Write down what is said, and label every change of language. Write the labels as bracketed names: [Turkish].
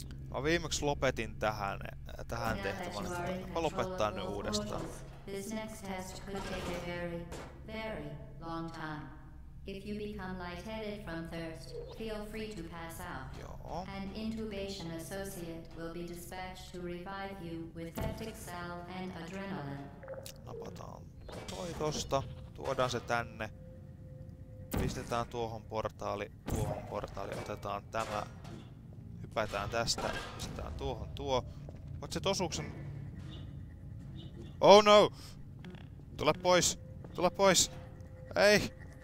[Finnish] Mä viimeksi lopetin tähän tehtävän. Mä lopetan nyt uudestaan. [English] This next test could take a very, very long time. If you become lightheaded from thirst, feel free to pass out. Joo. An intubation associate will be dispatched to revive you with septic cell and adrenaline. [Finnish] Napataan toi tosta. Tuodaan se tänne. Pistetään tuohon portaali. Otetaan tämä. Hypätään tästä. Pistetään tuohon tuo. Otset osuuksen. [English] Oh no! [Finnish] Tule pois! Ei!